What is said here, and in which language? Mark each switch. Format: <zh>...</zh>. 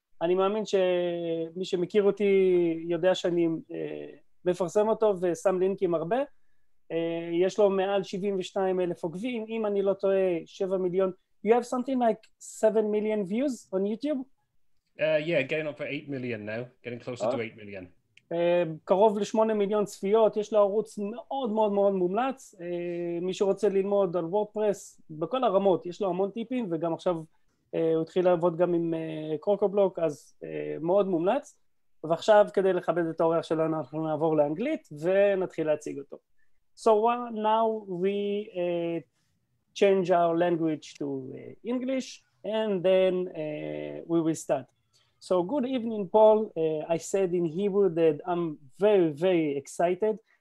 <he>אני מאמין שמי שמכיר אותי יודע שאני מפרסם אותו ושם לינקים הרבה. יש לו מעל 72 אלף עוקבים, אם אני לא טועה, 7 מיליון.</he> <en>You have something like 7 million views on YouTube? Yeah, getting up for 8 million now, getting closer to 8 million.</en> <he>קרוב ל-8 מיליון צפיות, יש לו ערוץ מאוד מאוד מאוד מומלץ. מי שרוצה ללמוד על וורדפרס, בכל הרמות, יש לו המון טיפים, וגם עכשיו הוא התחיל לעבוד גם עם קרוקובלוק, אז מאוד מומלץ. ועכשיו, כדי לכבד את האורח שלנו, אנחנו נעבור לאנגלית, ונתחיל להציג אותו.</he> <en>So now we change our language to English, and then we will start. So good evening, Paul. I said in Hebrew that I'm very, very excited.</en>